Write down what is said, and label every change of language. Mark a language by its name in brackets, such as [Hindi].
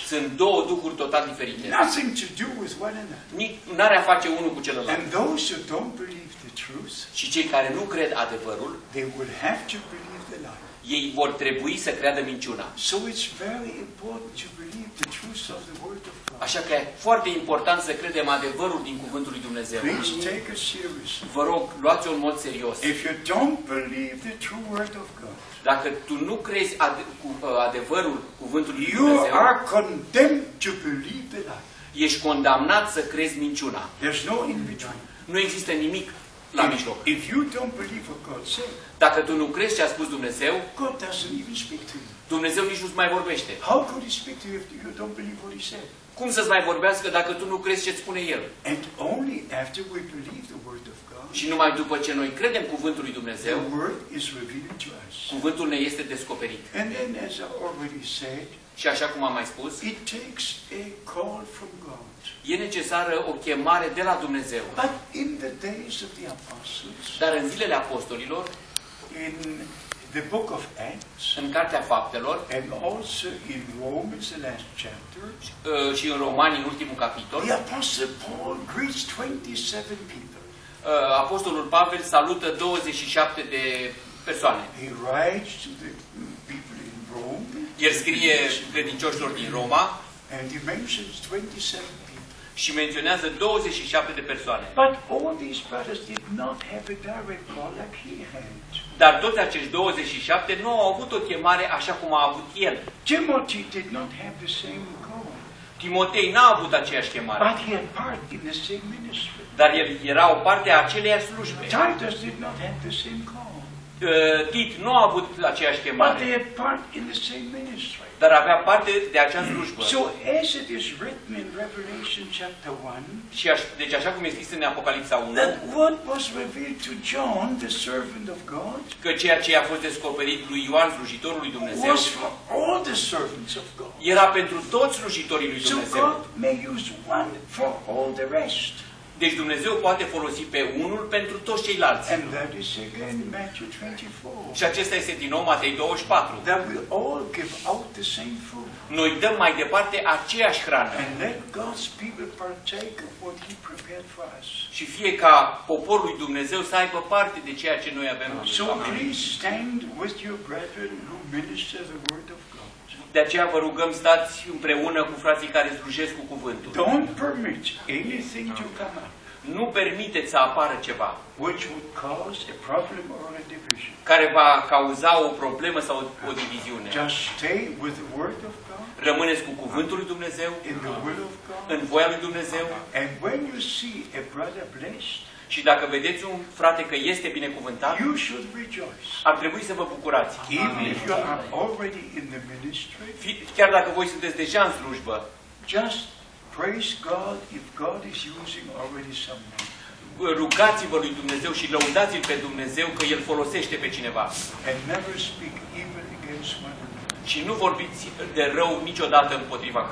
[Romanian] Sunt două duhuri total diferite. [English] Nothing to do with one another. [Romanian] N-are a face unul cu celălalt. [English] And those who don't believe the truth. [Romanian] Și cei care nu cred adevărul, [English] they would have to believe the lie. [Romanian] Ei vor trebui să creadă minciuna. [English] So it's very important to believe the truth of the word of God. [Romanian] Așa că e foarte important să credem adevărul din cuvântul lui Dumnezeu. [English] Please take it seriously. [Romanian] Vă rog, luați-o în mod serios. [English] If you don't believe the true word of God. [Romanian] Dacă tu nu crezi adevărul cuvântului lui Dumnezeu, [English] you are condemned to believe the lie. [Romanian] Ești condamnat să crezi minciuna. [English] There's no in between. [Romanian] Nu există nimic la mijloc. [English] If you don't believe what God said, [Romanian] dacă tu nu crezi ce a spus Dumnezeu, [English] God doesn't even speak to you. [Romanian] Dumnezeu nici nu-ți mai vorbește. [English] How could he speak to you if you don't believe what he said? [Romanian] Cum să-ți mai vorbească dacă tu nu crezi ce-ți spune El? [English] And only after we believe the word of God, [Romanian] și numai după ce noi credem cuvântul lui Dumnezeu, [English] the word is revealed to us. [Romanian] Cuvântul ne este descoperit. [English] And then, as I already said, [Romanian] și așa cum am mai spus, [English] it takes a call from God. [Romanian] E necesară o chemare de la Dumnezeu. [English] But in the days of the apostles, [Romanian] dar în zilele apostolilor, [English] in the book of Acts, [Romanian] în Cartea Faptelor, [English] and also in Romans, the last chapter, [Romanian] și în Romani, în ultimul capitol, [English] the apostle Paul greets 27 people. [Romanian] Apostolul Pavel salută 27 de persoane. [English] He writes to the people in Rome. [Romanian] El scrie credincioșilor din Roma. [English] And he mentions 27 people. [Romanian] Și menționează 27 de persoane. [English] But all these brothers did not have a direct call like he had. [Romanian] Dar toți acești 27 nu au avut o chemare așa cum a avut el. [English] Timothy did not have the same call. [Romanian] Timotei n-a avut aceeași chemare. [English] But he had part in the same ministry. [Romanian] Dar el era o parte a aceleiași slujbe. [English] Titus did not have the same call. [Romanian] Tit nu a avut aceeași chemare. [English] But they had part in the same ministry. [Romanian] Dar avea parte de acea slujbă. [English] So as it is written in Revelation chapter 1. [Romanian] Deci așa cum este scris în Apocalipsa 1. [English] That what was revealed to John, the servant of God. [Romanian] Că ceea ce a fost descoperit lui Ioan, slujitorul lui Dumnezeu. [English] Was for all the servants of God. [Romanian] Era pentru toți slujitorii lui Dumnezeu. [English] So God may use one for all the rest. [Romanian] Deci Dumnezeu poate folosi pe unul pentru toți ceilalți. [English] And that is again Matthew 24. [Romanian] Și acesta este din nou Matei 24. [English] That we all give out the same food. [Romanian] Noi dăm mai departe aceeași hrană. [English] And let God's people partake of what he prepared for us. [Romanian] Și fie ca poporul lui Dumnezeu să aibă parte de ceea ce noi avem. [English] So please stand with your brethren who minister the word of God. [Romanian] De aceea vă rugăm, stați împreună cu frații care slujesc cu cuvântul. [English] Don't permit anything to come up. [Romanian] Nu permiteți să apară ceva. [English] Which would cause a problem or a division. [Romanian] Care va cauza o problemă sau o diviziune. [English] Just stay with the word of God. [Romanian] Rămâneți cu cuvântul lui Dumnezeu. [English] In the will of God. [Romanian] În voia lui Dumnezeu. [English] And when you see a brother blessed, [Romanian] și dacă vedeți un frate că este binecuvântat, [English] you should rejoice. [Romanian] Ar trebui să vă bucurați. [English] Even if you are already in the ministry, [Romanian] chiar dacă voi sunteți deja în slujbă, [English] just praise God if God is using already someone. [Romanian] Rugați-vă lui Dumnezeu și lăudați-L pe Dumnezeu că El folosește pe cineva. [English] And never speak evil against one another. [Romanian] Și nu vorbiți de rău niciodată împotriva